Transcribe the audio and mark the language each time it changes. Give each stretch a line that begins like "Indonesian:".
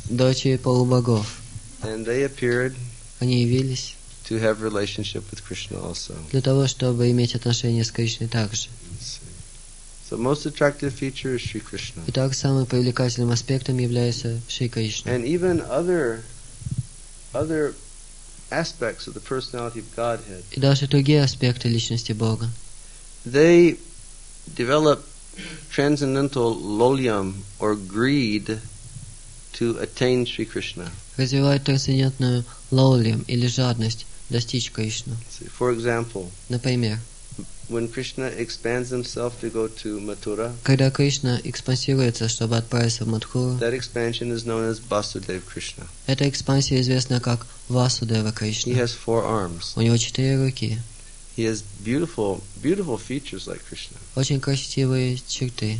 Russian: Дочери полубогов.
English: And they appeared.
Russian: Они явились.
English: To have relationship with Krishna also.
Russian: Для того, чтобы иметь отношения с Кришной также.
English: So most attractive feature is Sri Krishna.
Russian: Итак, самым привлекательным аспектом является Шри Кришна.
English: And even other aspects of the personality of Godhead.
Russian: И даже другие аспекты личности Бога.
English: They develop transcendental lolyam or greed to attain Sri Krishna.
Russian: Развивают трансцендентную лолиям или жадность. Достичь Кришну.
English: For example,
Russian: например,
English: when Krishna expands himself to go to Mathura,
Russian: когда Кришна экспансируется, чтобы отправиться в Матхуру,
English: that expansion is known as Vasudev Krishna.
Russian: Эта экспансия известна как Васудева Кришна.
English: He has four arms.
Russian: У него четыре руки.
English: He has beautiful features like Krishna.
Russian: Очень красивые черты.